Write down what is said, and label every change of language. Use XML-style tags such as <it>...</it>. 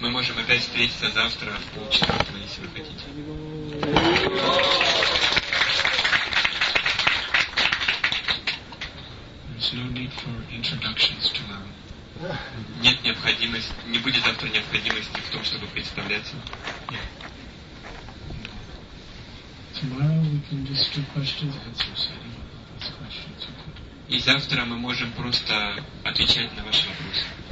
<ru>Мы можем опять встретиться завтра в полчаса, если вы хотите.</ru> <en>There's no need for introductions tomorrow.</en> <ru>Нет необходимости, не будет завтра необходимости в том, чтобы представляться.</ru> <en>Tomorrow we can just do questions and answers. Any of those questions you could.</en> <ru>И завтра мы можем просто отвечать на ваши вопросы.</ru>